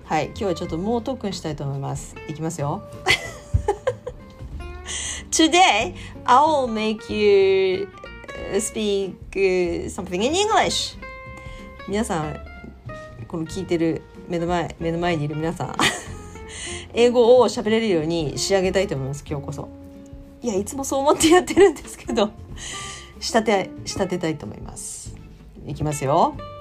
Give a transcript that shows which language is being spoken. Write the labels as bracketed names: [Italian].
[Japanese] はい、今日はちょっと猛特訓したいと思います。いきますよ。 [English] Today, I will make you speak something in English. [Japanese] 皆さん、この聞いてる目の前にいる皆さん、英語を喋れるように仕上げたいと思います、今日こそ。いや、いつもそう思ってやってるんですけど、仕立てたいと思います。いきますよ。